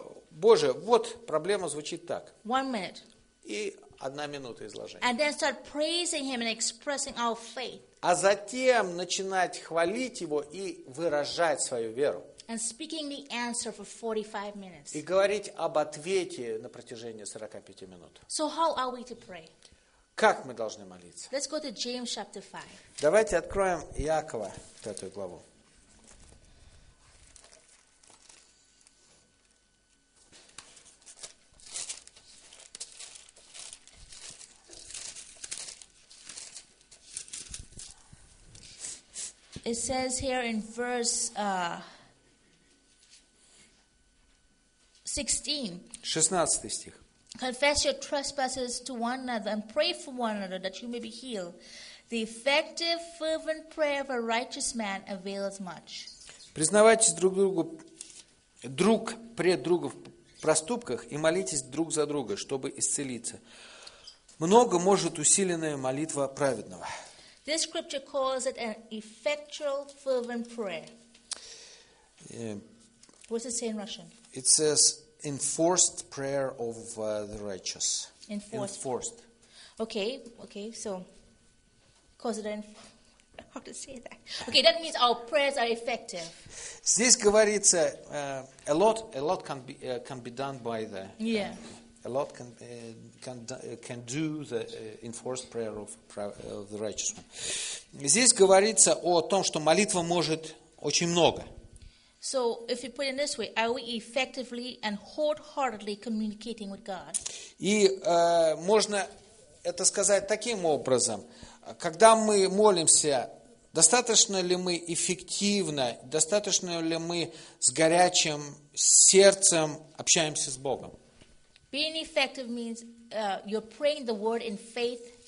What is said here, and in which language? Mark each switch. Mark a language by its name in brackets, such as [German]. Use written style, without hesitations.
[Russian] Боже, вот проблема звучит так. [English] 1 minute. [Russian] И 1 минута изложения. [English] And then start praising him and expressing our faith. [Russian] А затем начинать хвалить его и выражать свою веру. [English] And speaking the answer for 45 minutes. [Russian] И говорить об ответе на протяжении 45 минут. [English] So how are we to pray? [Russian] Как мы должны молиться? [English] Let's go to James chapter 5. [Russian] Давайте откроем Иакова, 5 главу. [English] It says here in verse 16. [Russian] 16 стих. [English] Confess your trespasses to one another and pray for one another that you may be healed. The effective, fervent prayer of a righteous man avails much. [Russian] Признавайтесь друг другу, друг пред другом в проступках и молитесь друг за друга, чтобы исцелиться. Много может усиленная молитва праведного. [English] This scripture calls it an effectual, fervent prayer. What does it say in Russian? It says enforced prayer of the righteous. Enforced. Enforced. Okay. So, calls it an. How to say that? Okay, that means our prayers are effective. [Russian] Здесь говорится [English] a lot can be done by the. Yeah. A lot can do the enforced prayer of the righteous one. [Russian] Здесь говорится о том, что молитва может очень много. [English] So, if you put it in this way, are we effectively and wholeheartedly communicating with God? [Russian] И можно это сказать таким образом: когда мы молимся достаточно ли мы эффективно, достаточно ли мы с горячим сердцем общаемся с Богом? [English] Being effective means you're praying the word in faith.